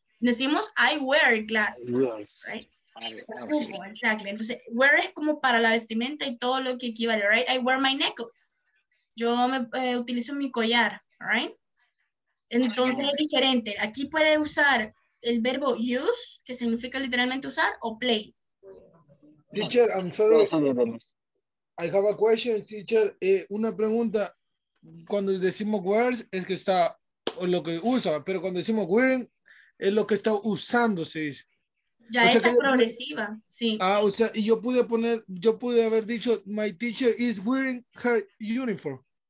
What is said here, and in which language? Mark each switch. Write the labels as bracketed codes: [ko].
[es] Decimos, [en] I wear glasses, yes. Right? Okay. Exactly. [es] Entonces, wear es como para la vestimenta y todo lo que equivale, right? [en] I wear my necklace. [es] Yo me utilizo mi collar, right? Entonces, es diferente. Aquí puede usar el verbo use, que significa literalmente usar, o play. [en] Teacher, I'm sorry. I have a question, teacher. [es] Una pregunta. Cuando decimos wear, es que está lo que usa, pero cuando decimos wearing, es lo que está usando, se dice. Ya, o sea, esa progresiva, sí. Ah, o sea, y yo pude poner, yo pude haber dicho, [en] my teacher is wearing her uniform.